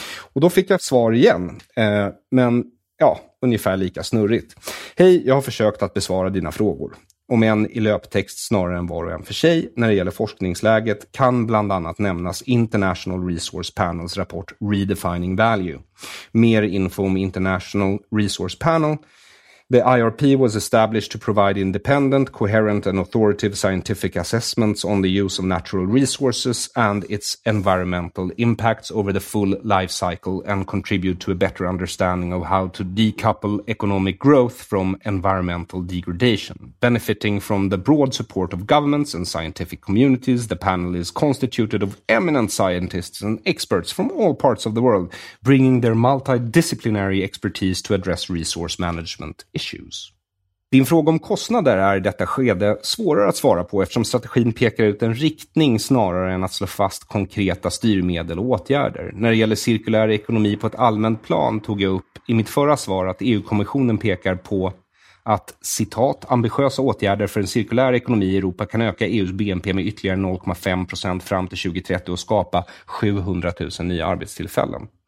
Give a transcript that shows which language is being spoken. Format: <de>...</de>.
<sv>Och då fick jag svar igen. Men ja, ungefär lika snurrigt. Hej, jag har försökt att besvara dina frågor. Om en i löptext snarare än var och en för sig. När det gäller forskningsläget kan bland annat nämnas International Resource Panels rapport Redefining Value. Mer info om International Resource Panel.</sv> <en>The IRP was established to provide independent, coherent and authoritative scientific assessments on the use of natural resources and its environmental impacts over the full life cycle and contribute to a better understanding of how to decouple economic growth from environmental degradation. Benefiting from the broad support of governments and scientific communities, the panel is constituted of eminent scientists and experts from all parts of the world, bringing their multidisciplinary expertise to address resource management. Issues.</en> <sv>Din fråga om kostnader är i detta skede svårare att svara på eftersom strategin pekar ut en riktning snarare än att slå fast konkreta styrmedel och åtgärder. När det gäller cirkulär ekonomi på ett allmänt plan tog jag upp i mitt förra svar att EU-kommissionen pekar på att, citat, ambitiösa åtgärder för en cirkulär ekonomi i Europa kan öka EUs BNP med ytterligare 0,5% fram till 2030 och skapa 700 000 nya arbetstillfällen.</sv>